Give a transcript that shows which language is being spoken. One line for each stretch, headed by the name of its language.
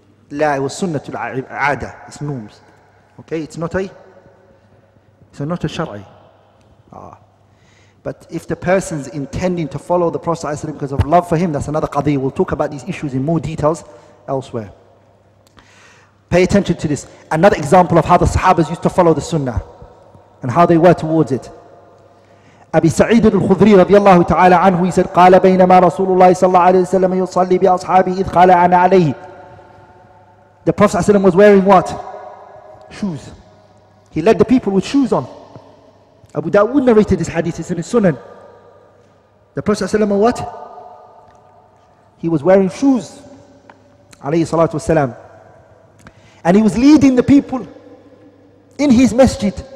English: La, it was sunnatul aada. It's norms. Okay, it's not a, it's not a shar'i. Ah. But if the person's intending to follow the Prophet ﷺ because of love for him, that's another qadi. We'll talk about these issues in more details elsewhere. Pay attention to this. Another example of how the sahabas used to follow the sunnah and how they were towards it.
Arabic: أبي سعيد الخضري رضي الله تعالى عنه يسأل قال بينما رسول الله صلى الله عليه وسلم يصلي بأصحابه إذ قال أنا عليه.
English: The Prophet ﷺ was wearing what? Shoes. He led the people with shoes on. Abu Dawud narrated this hadith, it's in his Sunan. The Prophet ﷺ, what? He was wearing shoes, alayhi salatu wasalam. And he was leading the people in his masjid.